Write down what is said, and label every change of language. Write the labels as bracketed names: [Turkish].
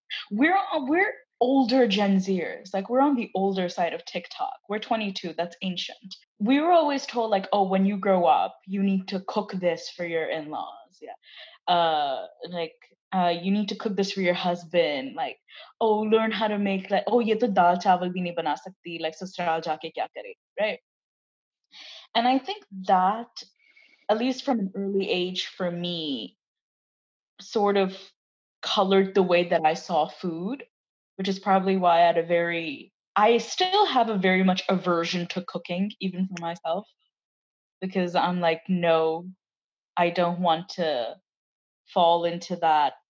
[English] We're older Gen Zers, like we're on the older side of TikTok. We're 22, that's ancient. We were always told like, oh, when you grow up, you need to cook this for your in-laws. You need to cook this for your husband. Like, oh, learn how to make like, oh, [Urdu] یہ تو دال چاول بھی نہیں بنا سکتی۔ [English] Like, [Urdu] sasural jaake kya kare, [English] right? And I think that, at least from an early age for me, sort of colored the way that I saw food, which is probably why I still have a very much aversion to cooking, even for myself, because I'm like, no, I don't want to fall into that.